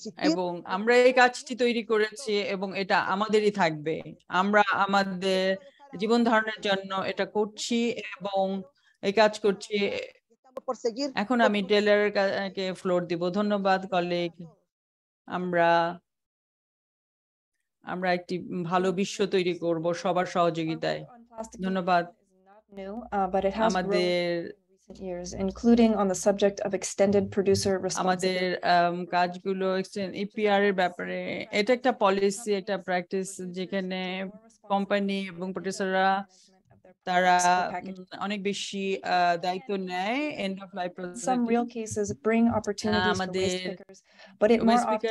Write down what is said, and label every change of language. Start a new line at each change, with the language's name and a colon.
Bangla: এবং আমরা এই কাজটি তৈরি করেছি এবং এটা আমাদেরই থাকবে আমরা আমাদের জীবন ধারণের জন্য এটা করছি এবং এই কাজ করছি এখন আমি টেলার কে ফ্লোর দিব ধন্যবাদ কলিগ আমরা আমরা একটি ভালো বিশ্ব তৈরি করব সবার সহযোগিতায় ধন্যবাদ আমাদের
English: including on the subject of extended producer responsibility
Bangla: আমাদের কাজগুলো EPR এর ব্যাপারে এটা একটা পলিসি একটা প্র্যাকটিস যেখানে কোম্পানি এবং প্রোডিউসাররা তারা অনেক বেশি দায়িত্ব নেয়
English: end of life project some real cases bring opportunities for waste pickers but it more